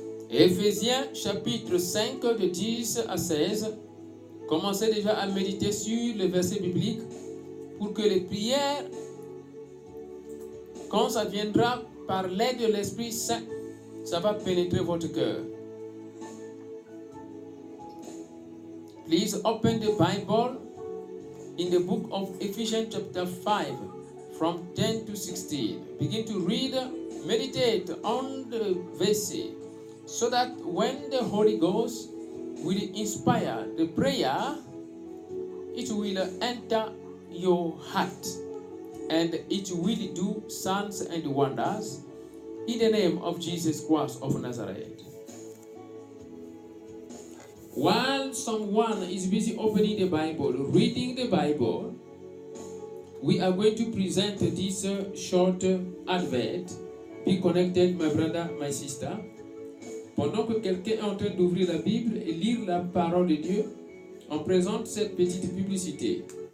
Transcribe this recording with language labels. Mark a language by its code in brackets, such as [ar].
[fr] Éphésiens, chapitre 5, de 10 à 16. Commencez déjà à méditer sur le verset biblique pour que les prières, quand ça viendra par l'aide de l'Esprit Saint, ça va pénétrer votre cœur. [en] Please open the Bible in the book of Ephesians, chapter 5. From 10 to 16. Begin to read, meditate on the verses, so that when the Holy Ghost will inspire the prayer, it will enter your heart and it will do signs and wonders in the name of Jesus Christ of Nazareth. While someone is busy opening the Bible, reading the Bible, we are going to present this short advert. Be connected, my brother, my sister. [fr] Pendant que quelqu'un est en train d'ouvrir la Bible et lire la parole de Dieu, on présente cette petite publicité.